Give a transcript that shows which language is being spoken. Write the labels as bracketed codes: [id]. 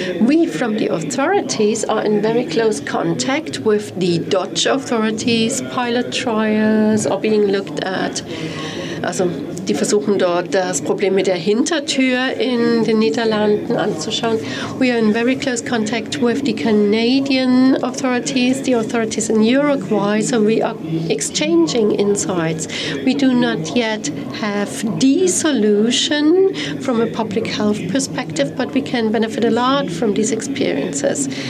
[en] We from the authorities are in very close contact with the Dutch authorities. Pilot trials are being looked at. [de] Also, die versuchen dort das Problem mit der Hintertür in den Niederlanden anzuschauen. [en] We are in very close contact with the Canadian authorities, the authorities in Uruguay, so we are exchanging insights. We do not yet have the solution from a public health perspective, but we can benefit a lot from these experiences.